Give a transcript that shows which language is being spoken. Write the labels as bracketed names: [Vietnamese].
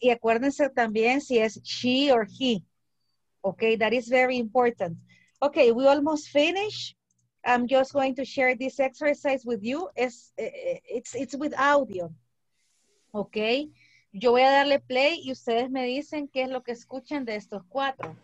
[Spanish] Y acuérdense también si es [English] she or he. Okay, that is very important. Okay, we almost finished. I'm just going to share this exercise with you. It's with audio. Okay. [Spanish] Yo voy a darle play y ustedes me dicen qué es lo que escuchan de estos cuatro.